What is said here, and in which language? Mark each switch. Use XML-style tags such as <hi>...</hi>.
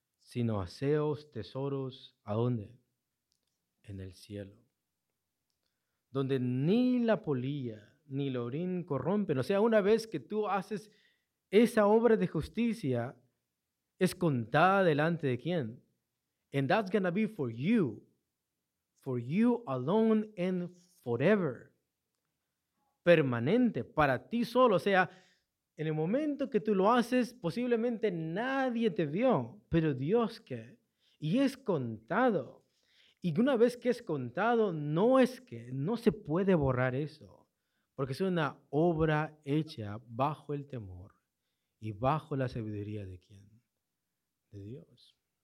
<es>sino haceos tesoros, ¿a dónde? En el cielo, donde ni la polilla ni el orín corrompen. O sea, una vez que tú haces esa obra de justicia, es contada delante de ¿quién?</es> <en>And that's going to be for you alone and forever.</en> <es>Permanente, para ti solo. O sea, en el momento que tú lo haces, posiblemente nadie te vio, pero Dios ¿qué? Y es contado. Y una vez que es contado, no es que, no se puede borrar eso, porque es una obra hecha bajo el temor y bajo la sabiduría de ¿quién? De Dios.</es>